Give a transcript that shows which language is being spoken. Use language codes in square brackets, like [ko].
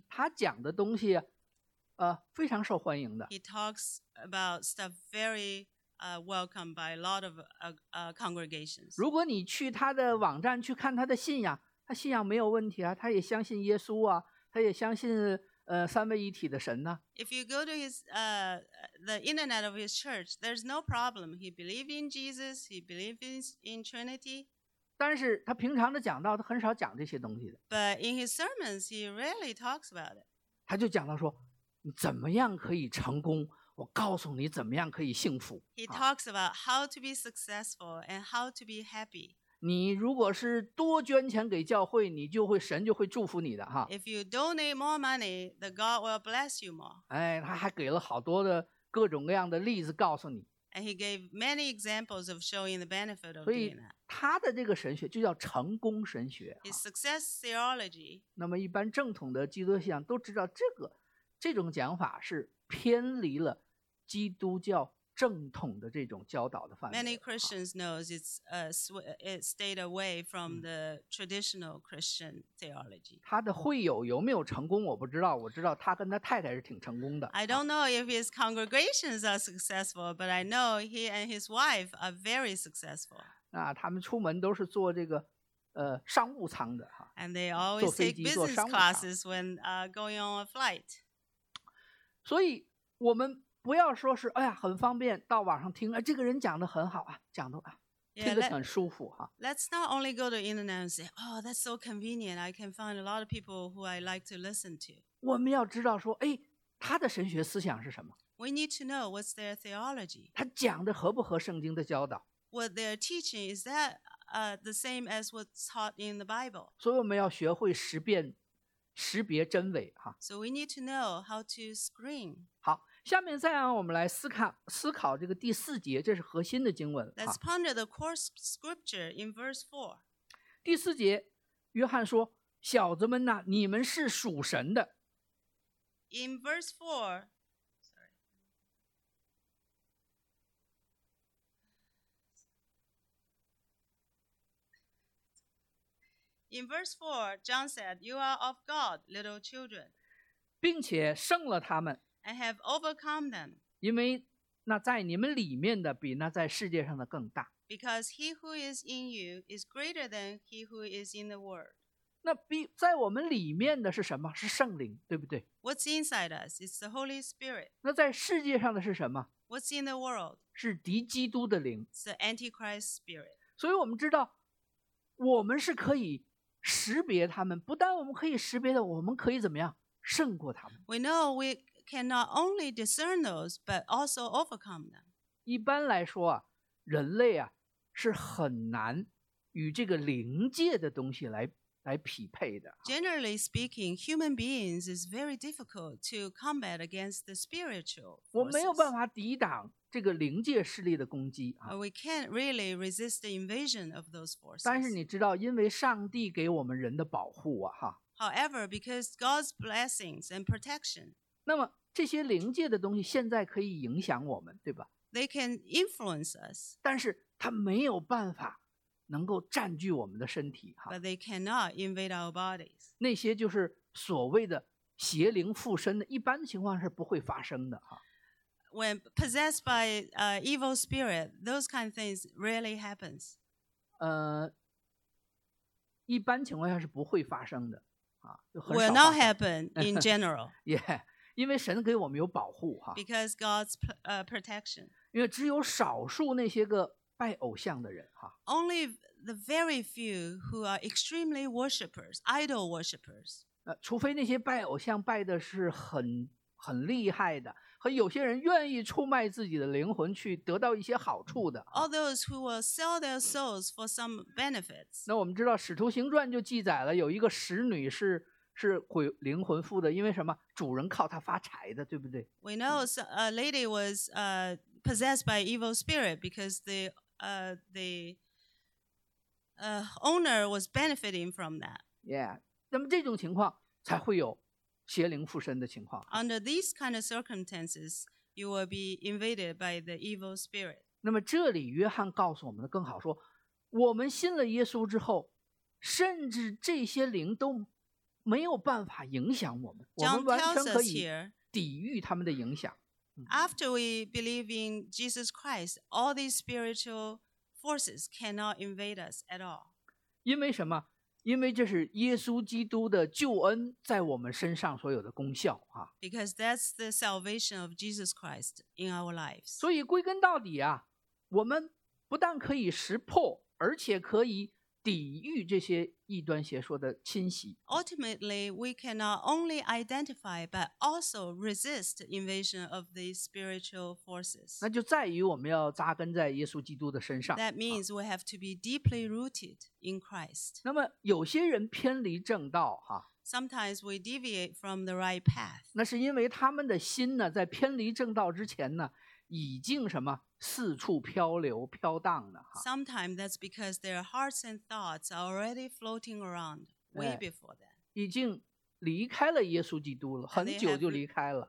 [zh] 啊。他讲的东西，非常受欢迎的。 [en] He talks about stuff very welcomed by a lot of congregations。 [zh] 如果你去他的网站去看他的信仰。他信仰没有问题啊，他也相信耶稣啊，他也相信三位一体的神呢、啊。 [en] If you go to his the internet of his church, there's no problem. He believes in Jesus. He believes in Trinity. [zh] 但是他平常的讲道，他很少讲这些东西的。 [en] But in his sermons, he rarely talks about it. [zh] 他就讲到说，你怎么样可以成功？我告诉你怎么样可以幸福。 [en] He talks about how to be successful and how to be happy. [zh] 你如果是多捐钱给教会，你就会神就会祝福你的哈。 [en] If you donate more money, the God will bless you more. [zh] 哎，他还给了好多的各种各样的例子告诉你。 [en] And he gave many examples of showing the benefit of doing [zh] 所以他的这个神学就叫成功神学。 [en] His success theology. [zh] 那么一般正统的基督信仰都知道这种讲法是偏离了基督教。正统的这种教导的范围。 [en] Many Christians know it stayed away from the traditional Christian theology. [zh] 他的会友有没有成功我不知道，我知道他跟他太太是挺成功的。 [en] I don't know if his congregations are successful, but I know he and his wife are very successful. [zh] 那他们出门都是坐这个商务舱的。 [en] And they always take business classes when going on a flight. [zh] 所以我们不要说是哎呀很方便到网上听、哎、这个人讲得很好啊讲得啊听得很舒服哈。 [en] Let's not only go to internet and say, oh, that's so convenient, I can find a lot of people who I like to listen to. [zh] 我们要知道说哎他的神学思想是什么。 [en] We need to know what's their theology. [zh] 他讲的合不合圣经的教导。 [en] What they're teaching, is that the same as what's taught in the Bible? [zh] 所以我们要学会识别真伪哈。 [en] So we need to know how to screen. [zh] 下面再让我们来思考这个第四节，这是核心的经文。 [en] Let's ponder the core scripture in verse 4. [zh] 第四节，约翰说：“小子们呐、啊，你们是属神的。” [en] In verse 4, sorry. In verse 4, John said, "You are of God, little children." [zh] 并且胜了他们。 [en] I have overcome them. [zh] 因为那在你们里面的比那在世界上的更大。 [en] Because he who is in you is greater than he who is in the world. [zh] 那在我们里面的是什么？是圣灵，对不对？ [en] What's inside us? It's the Holy Spirit. [zh] 那在世界上的是什么？ [en] What's in the world? [zh] 是敌基督的灵。 [en] It's the Antichrist spirit. [zh] 所以我们知道，我们是可以识别他们，不但我们可以识别的，我们可以怎么样？胜过他们。 [en] We know we. Can not only discern those, but also overcome them. [zh] 一般来说啊，人类啊是很难与这个灵界的东西来匹配的。 [en] Generally speaking, human beings is very difficult to combat against the spiritual forces. [zh] 我没有办法抵挡这个灵界势力的攻击啊。 [en] We can't really resist the invasion of those forces. [zh] 但是你知道，因为上帝给我们人的保护啊，哈。 [en] However, because God's blessings and protection. [zh] 那么这些灵界的东西现在可以影响我们，对吧 [en] ？They can influence us. [zh] 但是它没有办法能够占据我们的身体，哈。 [en] But they cannot invade our bodies. [zh] 那些就是所谓的邪灵附身的，一般情况是不会发生的，哈。 [en] When possessed by evil spirit, those kind of things rarely happens. [zh] 一般情况下是不会发生的，啊， [en] Will not happen in general. yeah. [zh] 因为神给我们有保护哈 [en] ，because God's protection。 [zh] 因为只有少数那些个拜偶像的人哈 [en] ，only the very few who are extremely worshippers, idol worshippers。 [zh] 除非那些拜偶像拜的是很厉害的，和有些人愿意出卖自己的灵魂去得到一些好处的。 [en] All those who will sell their souls for some benefits。 [zh] 那我们知道《使徒行传》就记载了有一个使女是。是鬼灵魂附的，因为什么？主人靠他发财的，对不对 [en] ？We know a lady was possessed by evil spirit because the owner was benefiting from that. [zh] Yeah， 那么这种情况才会有邪灵附身的情况。 [en] Under these kind of circumstances, you will be invaded by the evil spirit. [zh] 那么这里约翰告诉我们的更好说，我们信了耶稣之后，甚至这些灵都没有办法影响我们，我们完全可以抵御他们的影响。 [en] After we believe in Jesus Christ, all these spiritual forces cannot invade us at all. [zh] 因为什么？因为这是耶稣基督的救恩在我们身上所有的功效啊。 [en] Because that's the salvation of Jesus Christ in our lives. [zh] 所以归根到底啊，我们不但可以识破，而且可以抵御这些异端邪说的侵袭。 [en] Ultimately, we can not only identify but also resist the invasion of these spiritual forces. [zh] 那就在于我们要扎根在耶稣基督的身上。 [en] That means we have to be deeply rooted in Christ. [zh] 那么有些人偏离正道哈。 [en] Sometimes we deviate from the right path. [zh] 那是因为他们的心呢，在偏离正道之前呢，已经什么？四处漂流飘荡的。 [en] Sometimes that's because their hearts and thoughts are already floating around way before that. [zh] 已经离开了耶稣基督了，很久就离开了。